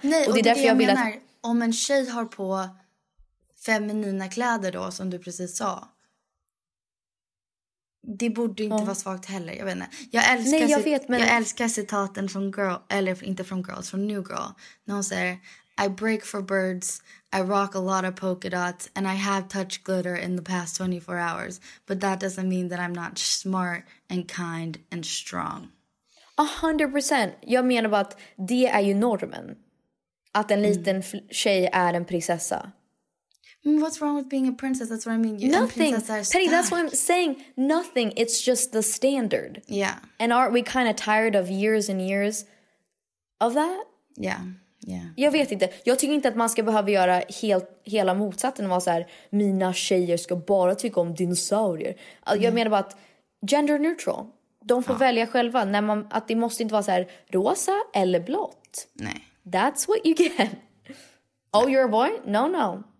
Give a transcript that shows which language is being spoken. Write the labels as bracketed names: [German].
[Swedish] Nej, och det är därför det jag menar, vill att... om en tjej har på feminina kläder då, som du precis sa, det borde inte vara svagt heller. Jag vet inte. Jag älskar, nej, jag vet, men... [English] jag älskar citaten från Girl, eller inte från Girls, från New Girl, när hon säger I break for birds, I rock a lot of polka dots, and I have touched glitter in the past 24 hours. But that doesn't mean that I'm not smart and kind and strong. 100%. [Swedish] Jag menar bara att det är ju normen. Att en liten tjej är en prinsessa. [English] What's wrong with being a princess? That's what I mean. Nothing. Penny, that's what I'm saying. Nothing. It's just the standard. Yeah. And aren't we kind of tired of years and years of that? Yeah. Yeah. [Swedish] Jag vet inte. Jag tycker inte att man ska behöva göra helt, hela motsatsen och vara så här, mina tjejer ska bara tycka om dinosaurier. Mm. Jag menar bara att gender neutral. De får välja själva. När man, att det måste inte vara så här rosa eller blått. Nej. [English] That's what you get. Oh, you're a boy? No, no.